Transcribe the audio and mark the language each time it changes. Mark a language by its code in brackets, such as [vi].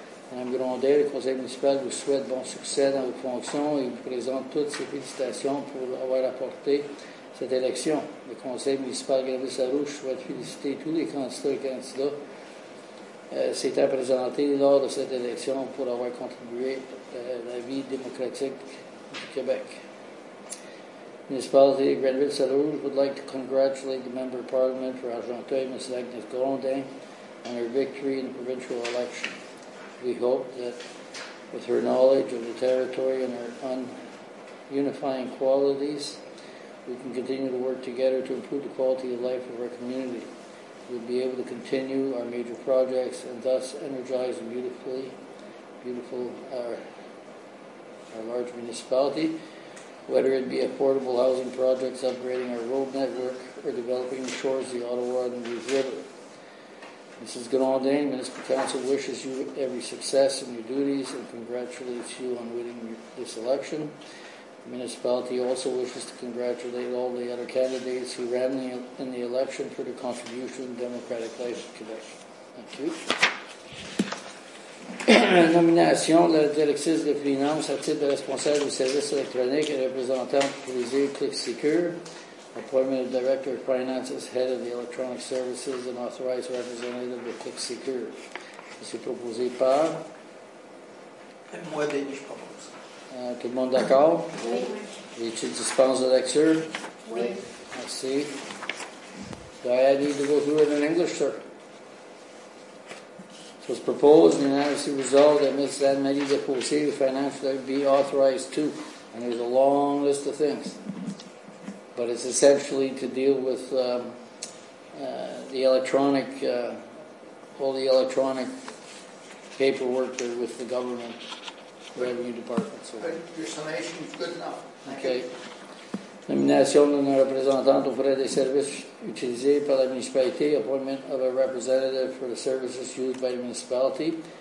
[fr] Mme Grondel, conseil municipal, vous souhaite bon succès dans vos fonctions et vous présente toutes ses félicitations pour avoir apporté cette élection. Le conseil municipal Gravelines-la-Rouge souhaite féliciter tous les candidats et candidats s'étant présentés lors de cette élection pour avoir contribué à la vie démocratique du Québec. [en] Municipality of Gravelines-la-Rouge would like to congratulate the Member of Parliament for Argenteuil, Ms. Agnes Grondin, on her victory in the provincial election. We hope that with her knowledge of the territory and her unifying qualities, we can continue to work together to improve the quality of life of our community. We'll be able to continue our major projects and thus energize and beautiful our large municipality, whether it be affordable housing projects, upgrading our road network, or developing the shores of the Ottawa and the River. Mrs. Grondin, Municipal Council wishes you every success in your duties and congratulates you on winning this election. The municipality also wishes to congratulate all the other candidates who ran in the election for their contribution to the Democratic Life of Quebec. Thank you. [fr] Nomination de la directrice de finances à titre de responsable du service électronique et représentant pour les îles Click Secure. [en] Appointment of Director of Finance as Head of the Electronic Services and Authorized Representative of Click Secure. [fr] C'est proposé par. Moi, Denis, je propose. Tout le monde d'accord? Oui. Et tu dispenses de lecture? Oui. [en] Merci. Do I need to go through it in English, sir? So it's proposed and unanimously resolved that Ms. Anne-Marie Desposés of Finance be authorized too. And there's a long list of things. But it's essentially to deal with the electronic, all the electronic paperwork there with the government revenue department. So. Your summation is good enough. Okay. [fr] Nomination d'un représentant aux frais des services utilisés par la municipalité. [en] Appointment of a representative for the services used by the municipality.